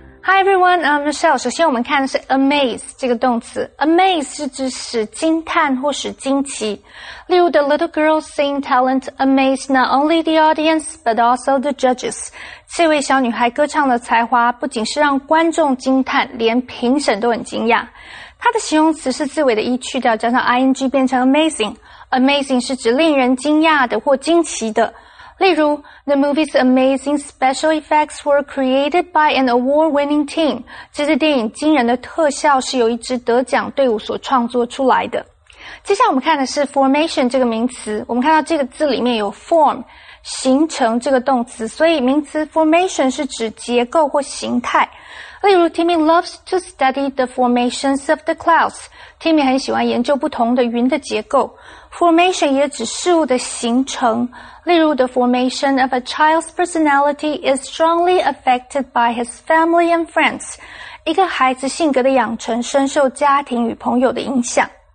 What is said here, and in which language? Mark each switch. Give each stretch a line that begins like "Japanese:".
English: Hi everyone, I'm Michelle.
Chinese: 首先我们看的是 amaze 这个动词。 Amaze 是指使惊叹或使惊奇。例如
English: the little girl's singing talent amazed not only the audience, but also the judges.
Chinese: 这位小女孩歌唱的才华不仅是让观众惊叹，连评审都很惊讶。它的形容词是字尾的一去掉，加上 ing 变成 amazing。
English: Amazing
Chinese: 是指令人惊讶的或惊奇的。例如
English: ,the movie's amazing special effects were created by an award-winning team.
Chinese: 这支电影惊人的特效是由一支得奖队伍所创作出来的。接下来我们看的是 formation 这个名词。我们看到这个字里面有 form, 形成这个动词。所以名词 formation 是指结构或形态。例如
English: ,Timmy loves to study the formations of the clouds.
Chinese: Timmy 很喜欢研究不同的云的结构。
English: Formation
Chinese: 也指事物的形成，例如
English: the formation of a child's personality is strongly affected by his family and friends.
Chinese: 一个孩子性格的养成深受家庭与朋友的影响。